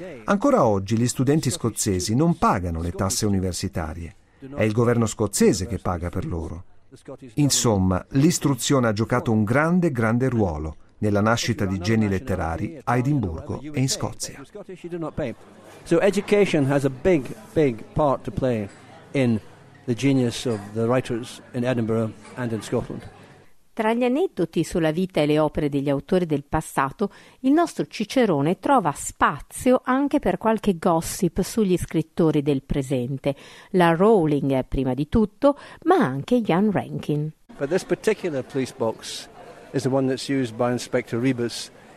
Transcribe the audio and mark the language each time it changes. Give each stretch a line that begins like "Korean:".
Italian: Ancora oggi gli studenti scozzesi non pagano le tasse universitarie. È il governo scozzese che paga per loro. Insomma, l'istruzione ha giocato un grande, grande ruolo nella nascita di geni letterari a Edimburgo e in Scozia.
English: So education has a big, big part to play in the genius of the writers in Edinburgh and in Scotland.
Italian: Tra gli aneddoti sulla vita e le opere degli autori del passato, il nostro Cicerone trova spazio anche per qualche gossip sugli scrittori del presente. La Rowling prima di tutto, ma anche Ian Rankin.
English: But this particular police box is the one that's used by Inspector Rebus.